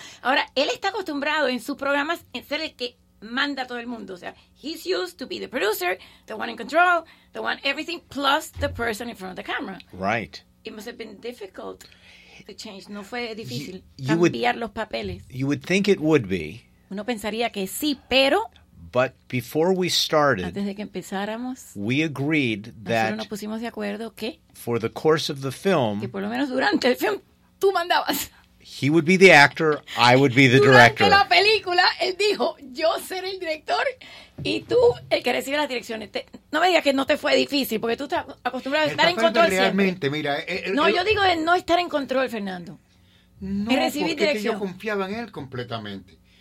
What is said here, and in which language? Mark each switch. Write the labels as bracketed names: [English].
[Spanish] Ahora, él está acostumbrado en sus programas en ser el que manda a todo el mundo. O sea, [English] he's used to be the producer, the one in control, the one everything, plus the person in front of the camera. Right. It must have been difficult. Change. [Spanish] No fue difícil cambiar los papeles. [English] You would think it would be. [Spanish] Uno pensaría que sí, pero. [English] But before we started, [Spanish] antes de que empezáramos, [English] we agreed that. [Spanish] Nosotros nos pusimos de acuerdo que. [English] For the course of the film, [Spanish] que por lo menos durante el film tú mandabas. [English] He would be the actor, I would be the director. [Spanish] Durante la película, él dijo, yo seré el director y tú el que recibe las direcciones. No me digas que no te fue difícil, porque tú estás acostumbrado a estar en control siempre. Realmente, mira. Yo digo de no estar en control, Fernando. No, recibir dirección. Porque yo confiaba en él completamente.